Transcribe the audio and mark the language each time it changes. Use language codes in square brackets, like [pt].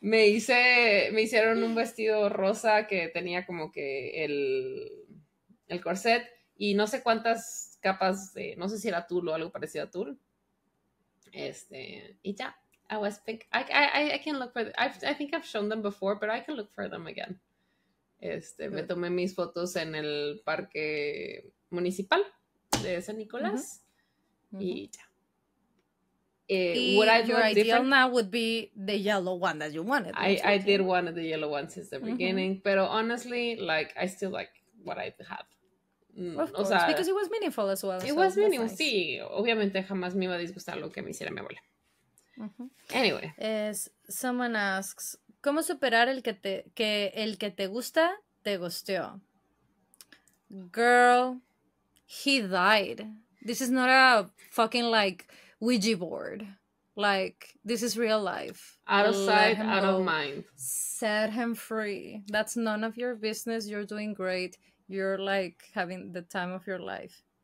[es] Me hicieron un vestido rosa que tenía como que el corset. Y no sé cuántas capas de, no sé si era tul o algo parecido a tul. Y ya, [en] I was pink. I can look for them. I think I've shown them before, but I can look for them again. [es] Me tomé mis fotos en el parque municipal de San Nicolás. Mm-hmm. Mm-hmm. Y ya. [en] Would I your ideal different? Now would be the yellow one that you wanted. I did want the yellow one since the beginning. Mm-hmm. [es] Pero [en] honestly, like, I still like what I have. Of course, because it was meaningful as well. It was meaningful, [es] sí. Obviamente jamás me iba a disgustar lo que me hiciera mi abuela. [en] Uh-huh. Anyway. Someone asks, [es] ¿cómo superar el que te gusta te gusteó? [en] Girl, he died. This is not a fucking, like, Ouija board. Like, this is real life. Out of sight, out of mind. Set him free. That's none of your business. You're doing great. You're, like, having the time of your life.